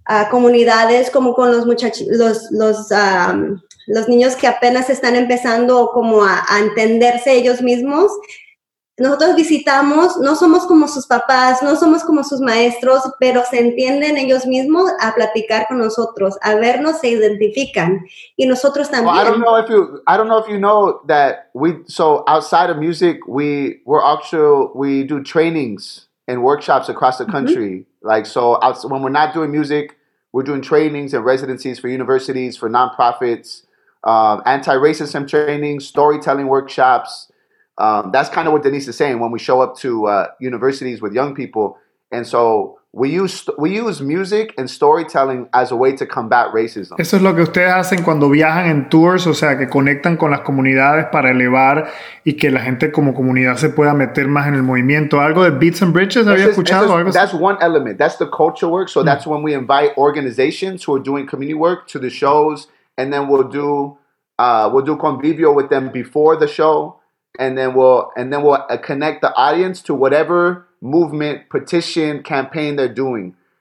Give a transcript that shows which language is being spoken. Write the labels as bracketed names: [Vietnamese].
[Spanish] comunidades como con los muchachos, los niños que apenas están empezando como a entenderse ellos mismos. Nosotros visitamos, no somos como sus papás, no somos como sus maestros, pero se entienden ellos mismos a platicar con nosotros, a vernos, se identifican. Y nosotros también. [English] Well, I don't know if you know that outside of music, we do trainings and workshops across the country. Mm-hmm. Like, so when we're not doing music, we're doing trainings and residencies for universities, for nonprofits, anti-racism trainings, storytelling workshops. That's kind of what Denise is saying when we show up to universities with young people. And so we use music and storytelling as a way to combat racism. [Spanish] Eso es lo que ustedes hacen cuando viajan en tours, o sea, que conectan con las comunidades para elevar y que la gente como comunidad se pueda meter más en el movimiento. ¿Algo de Beats and Bridges había escuchado? [English] That's one element. That's the culture work. So that's when we invite organizations who are doing community work to the shows, and then we'll do convivio with them before the show, and then we'll connect the audience to whatever movement, petition, campaign they're doing.